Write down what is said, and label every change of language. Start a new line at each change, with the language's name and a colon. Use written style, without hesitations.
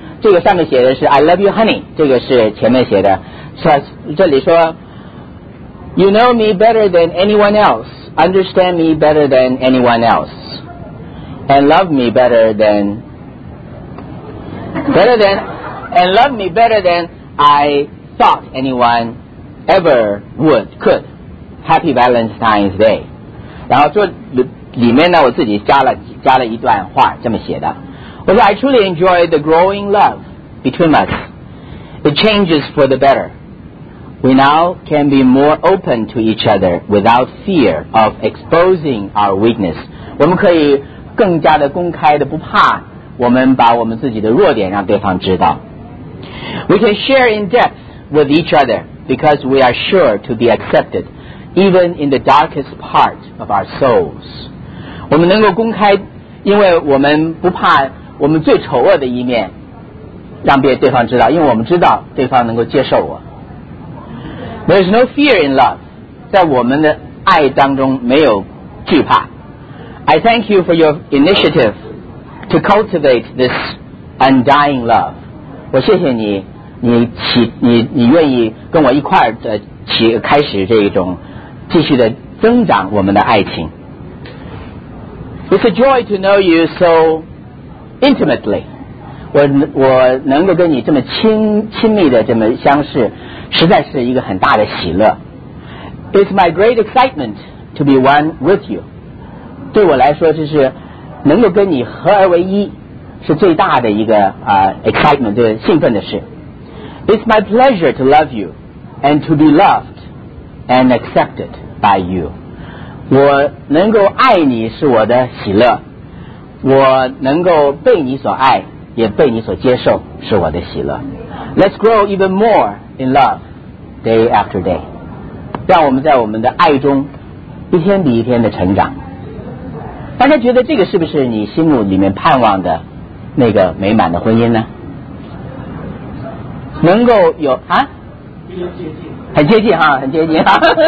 Chinese: 这个上面写的是
English: I love you honey，
Chinese: 这个是前面写的，所以这里说
English: You know me better than anyone else， Understand me better than anyone else， And love me better than And love me better than I thought anyone ever would could。 Happy Valentine's Day。
Chinese: 然后这里面呢，我自己加了一段话这么写的，我说
English: I truly enjoy the growing love between us. It changes for the better. We now can be more open to each other without fear of exposing our weakness.
Chinese: 我们可以更加的公开的，不怕我们把我们自己的弱点让对方知道。
English: We can share in depth with each other because we are sure to be accepted even in the darkest part of our souls.
Chinese: 我们能够公开，因为我们不怕我们最丑恶的一面让对方知道，因为我们知道对方能够接受我。
English: There is no fear in love，
Chinese: 在我们的爱当中没有惧怕。
English: I thank you for your initiative to cultivate this undying love，
Chinese: 我谢谢你，你愿意跟我一块儿的开始这一种继续的增长我们的爱情。
English: It's a joy to know you soIntimately，
Chinese: 我能够跟你这么亲密的这么相识，实在是一个很大的喜乐。
English: It's my great excitement to be one with you，
Chinese: 对我来说就是能够跟你合而为一，是最大的一个excitement， 就是兴奋的事。
English: It's my pleasure to love you and to be loved and accepted by you，
Chinese: 我能够爱你是我的喜乐。我能够被你所爱也被你所接受是我的喜乐。
English: Let's grow even more in love day after day，
Chinese: 让我们在我们的爱中一天比一天的成长。大家觉得这个是不是你心目里面盼望的那个美满的婚姻呢？能够有啊，很接近哈，很接近哈。